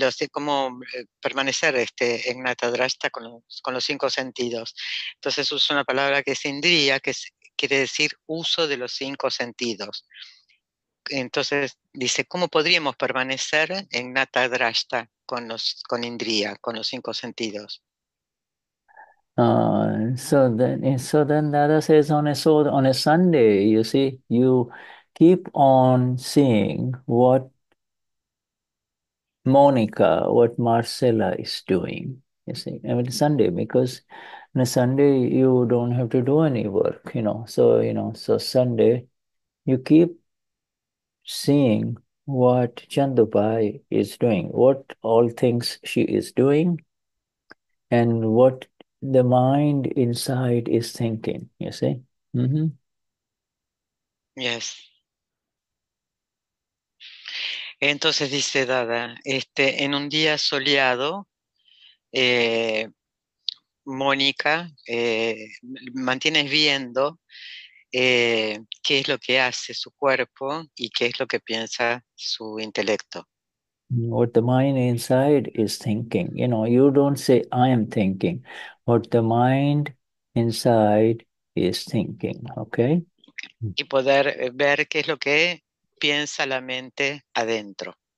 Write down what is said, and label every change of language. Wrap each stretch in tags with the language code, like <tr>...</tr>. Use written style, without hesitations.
<es>Cómo permanecer en Gnata Drashta con los cinco sentidos. Entonces usa una palabra que es indriya, que quiere decir uso de los cinco sentidos. Entonces dice, ¿cómo podríamos permanecer en Gnata Drashta con indriya, con los cinco sentidos?</es> <en>So then Dada says, on a Sunday, you see, you keep on seeing what Monica, what Marcella is doing, you see, every Sunday, because on a Sunday you don't have to do any work, you know. So Sunday you keep seeing what Chandupai is doing, what all things she is doing, and what the mind inside is thinking, you see. Yes.</en> <es>Entonces dice Dada, en un día soleado, Mónica, mantienes viendo qué es lo que hace su cuerpo y qué es lo que piensa su intelecto.</es> <en>What the mind inside is thinking, you know, you don't say I am thinking, what the mind inside is thinking, okay?</en> <es>Y poder ver qué es lo que piensa la mente adentro.</es>